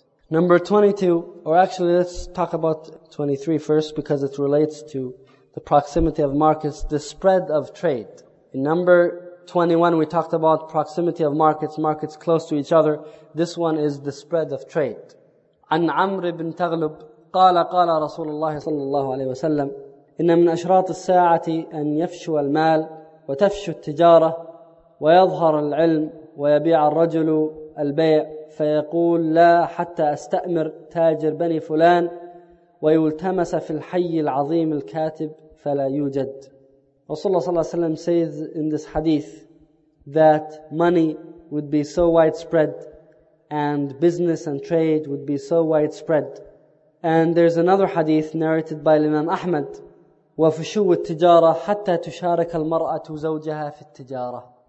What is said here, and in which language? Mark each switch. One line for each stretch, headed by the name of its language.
English: Number 22, or actually let's talk about 23 first because it relates to the proximity of markets, the spread of trade. In number 21, we talked about proximity of markets, markets close to each other. This one is the spread of trade.
Arabic: عن عمر بن تغلب قال قال رسول الله صلى الله عليه وسلم إن من أشراط الساعة أن يفشو المال وتفشو التجارة ويظهر العلم ويبيع الرجل البيع فيقول لا حتى أستأمر تاجر بني فلان ويلتمس في الحي العظيم الكاتب فلا يوجد.
English: Rasulullah صلى الله عليه وسلم says in this hadith that money would be so widespread and business and trade would be so widespread. And there's another hadith narrated by Imam Ahmad,
Arabic: وَفُشُوُ التِّجَارَةِ حَتَّى تُشَارَكَ الْمَرْأَةُ زَوْجَهَا فِي التِّجَارَةِ.